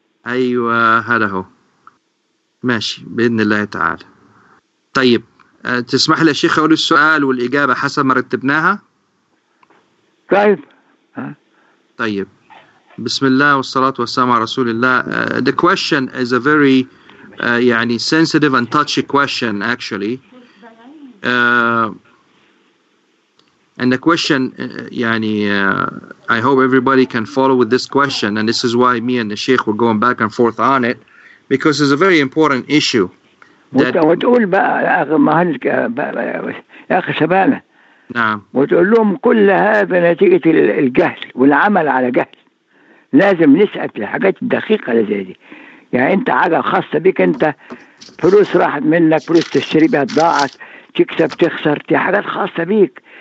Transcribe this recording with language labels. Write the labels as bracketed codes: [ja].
[ar] ايوه هذا هو. ماشي بإذن الله تعالى. طيب تسمح لي يا شيخ أقول السؤال والإجابة حسب ما رتبناها؟ طيب. طيب بسم الله والصلاة والسلام على رسول الله. [en] The question is a very يعني sensitive and touchy question actually. And the question يعني I hope everybody can follow with this question, and this is why me and the Sheikh were going back and forth on it. Because it's a very important issue. [ar] وتقول بقى يا أخي مهندك يا أخي سبانة. نعم. وتقول لهم كل هذا نتيجة الجهل والعمل على جهل. لازم نسأل الحاجات الدقيقة لزي دي. يعني أنت حاجة خاصة بك أنت، فلوس راحت منك، فلوس تشتري بها ضاعت، تكسب تخسر، دي حاجات خاصة بك.